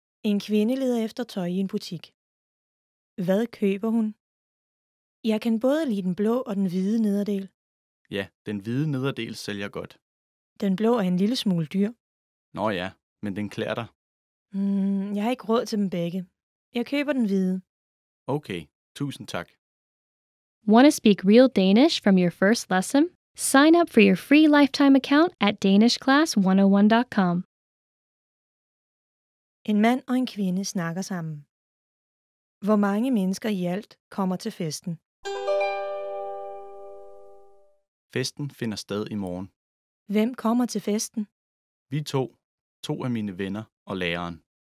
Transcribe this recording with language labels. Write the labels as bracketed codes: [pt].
[da] En kvinde leder efter tøj i en butik. Hvad køber hun? Jeg kan både lide den blå og den hvide nederdel. Ja, den hvide nederdel sælger godt. Den blå er en lille smule dyr. Nå ja, men den klæder dig. Jeg har ikke råd til dem begge. Jeg køber den hvide. Okay, tusind tak. [en] Want to speak real Danish from your first lesson? Sign up for your free lifetime account at danishclass101.com. [da] En mand og en kvinde snakker sammen. Hvor mange mennesker i alt kommer til festen? Festen finder sted i morgen. Hvem kommer til festen? Vi to. To af mine venner og læreren.